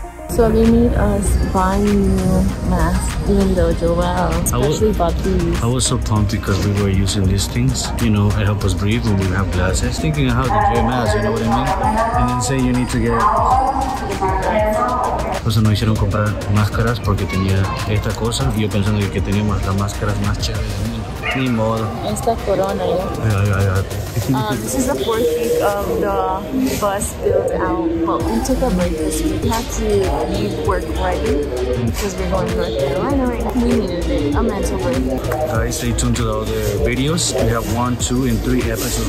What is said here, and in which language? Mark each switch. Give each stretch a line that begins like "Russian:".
English: So they made us buy new masks. Even though Joelle, especially I was so pumped because we were using these things, you know, to help us breathe when we have glasses. Thinking how to wear masks, you know what I mean? And then say you need to get.
Spanish: O sea, nos hicieron comprar máscaras porque tenía esta cosa. Y yo pensando que teníamos las máscaras más chéveres del mundo. Ni modo. Esta corona, ¿eh? Ay, ay, ay.
English: This is the fourth week of the bus build out. But we took a break this week. We had to leave work right because we're going to North Carolina. Right? We needed it. A mental break. Guys, stay tuned to the other videos. We have 1, 2, and 3 episodes.